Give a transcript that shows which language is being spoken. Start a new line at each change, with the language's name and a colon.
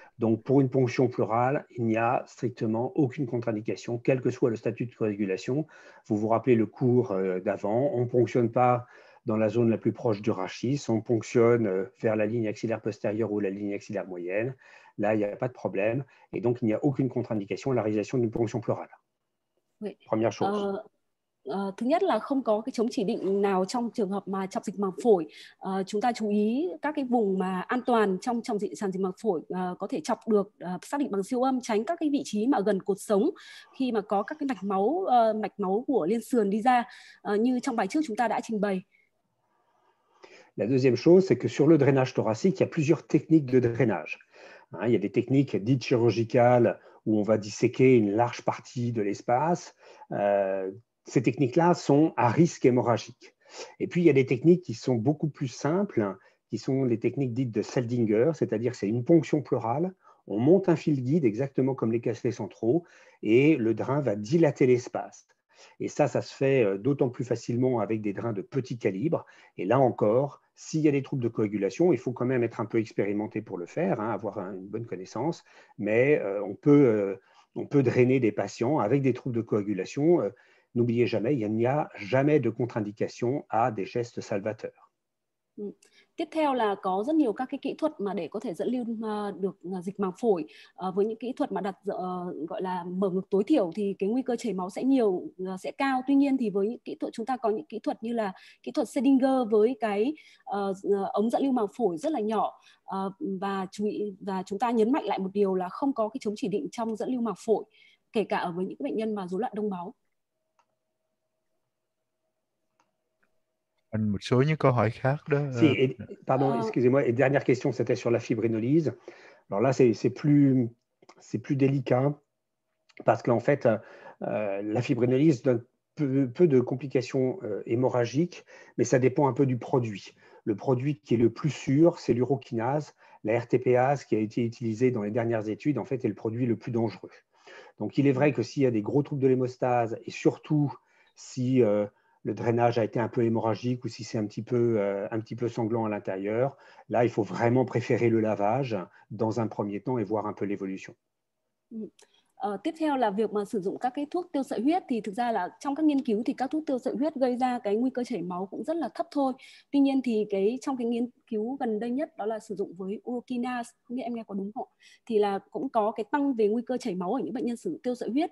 French: Donc, pour une ponction pleurale, il n'y a strictement aucune contre-indication, quel que soit le statut de coagulation. Vous vous rappelez le cours d'avant, on ne ponctionne pas dans la zone la plus proche du rachis, on ponctionne vers la ligne axillaire postérieure ou la ligne axillaire moyenne. Là, il n'y a pas de problème. Et donc, il n'y a aucune contre-indication à la réalisation d'une ponction pleurale. Oui. Première chose.
Vietnamese: Thứ nhất là không có cái chống chỉ định nào trong trường hợp mà trọng dịch màng phổi. Chúng ta chú ý các cái vùng mà an toàn trong trọng dịch sàn dịch màng phổi có thể chọc được xác định bằng siêu âm, tránh các cái vị trí mà gần cột sống khi mà có các cái mạch máu của liên sườn đi ra như trong bài trước chúng ta đã trình bày.
French: La deuxième chose, c'est que sur le drainage thoracique, il y a plusieurs techniques de drainage. Il y a des techniques dites chirurgicales où on va disséquer une large partie de l'espace. Ces techniques-là sont à risque hémorragique. Et puis, il y a des techniques qui sont beaucoup plus simples, qui sont les techniques dites de Seldinger, c'est-à-dire c'est une ponction pleurale. On monte un fil guide, exactement comme les cachets centraux, et le drain va dilater l'espace. Et ça, ça se fait d'autant plus facilement avec des drains de petit calibre. Et là encore, s'il y a des troubles de coagulation, il faut quand même être un peu expérimenté pour le faire, hein, avoir une bonne connaissance. Mais on peut drainer des patients avec des troubles de coagulation. N'oubliez jamais, il n'y a jamais de contre-indication à des gestes salvateurs.
Vietnamese: Tiếp theo là có rất nhiều các cái kỹ thuật mà để có thể dẫn lưu được dịch màng phổi với những kỹ thuật mà đặt gọi là mở ngực tối thiểu thì cái nguy cơ chảy máu sẽ nhiều sẽ cao. Tuy nhiên thì với những kỹ thuật chúng ta có những kỹ thuật như là kỹ thuật Seldinger với cái ống dẫn lưu màng phổi rất là nhỏ và chúng ta nhấn mạnh lại một điều là không có cái chống chỉ định trong dẫn lưu màng phổi kể cả ở với những bệnh nhân mà rối loạn đông máu.
French: Si, et, pardon, excusez-moi. Et dernière question, c'était sur la fibrinolyse. Alors là, c'est plus délicat parce qu'en fait, la fibrinolyse donne peu de complications hémorragiques, mais ça dépend un peu du produit. Le produit qui est le plus sûr, c'est l'urokinase. La RTPase qui a été utilisée dans les dernières études, en fait, est le produit le plus dangereux. Donc, il est vrai que s'il y a des gros troubles de l'hémostase et surtout si... le drainage a été un peu hémorragique ou si c'est un petit peu sanglant à l'intérieur. Là, il faut vraiment préférer le lavage dans un premier temps et voir un peu l'évolution.
Vietnamese: Tiếp theo là việc mà sử dụng các cái thuốc tiêu sợi huyết thì thực ra là trong các nghiên cứu thì các thuốc tiêu sợi huyết gây ra cái nguy cơ chảy máu cũng rất là thấp thôi. Tuy nhiên thì cái trong cái nghiên cứu gần đây nhất đó là sử dụng với urokinase, không biết em nghe có đúng không? Thì là cũng có cái tăng về nguy cơ chảy máu ở những bệnh nhân sử dụng tiêu sợi huyết.